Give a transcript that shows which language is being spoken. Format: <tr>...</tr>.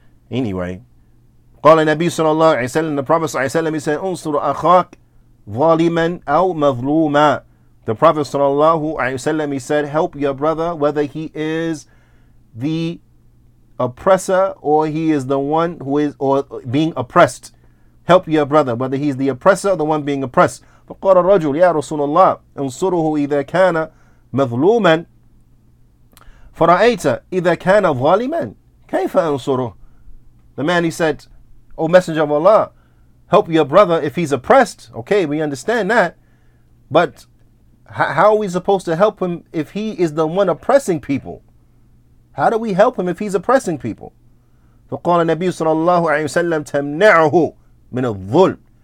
<ar>Anyway. قال النبي صلى الله عليه وسلم,</ar> <en>the Prophet</en> <ar>صلى الله عليه وسلم,</ar> <en>he said,</en> <ar>انصر أخاك ظالما أو مظلوما.</ar> <en>The Prophet صلى الله عليه وسلم, he said, help your brother whether he is the oppressor or he is the one who is or being oppressed. Help your brother whether he's the oppressor or the one being oppressed.</en> <ar>فقال الرجل يا رسول الله انصره إذا كان مظلوما فرأيت إذا كان ظالما كيف أنصره.</ar> <en>The man, he said, O Messenger of Allah, help your brother if he's oppressed. Okay, we understand that. But how are we supposed to help him if he is the one oppressing people? How do we help him if he's oppressing people?</en> <ar>فَقَالَ النَّبِيُّ صَلَى اللَّهُ عَلَيْهِ وَسَلَّمْ تَمْنَعُهُ مِنَ الظُّلْمِ.</ar>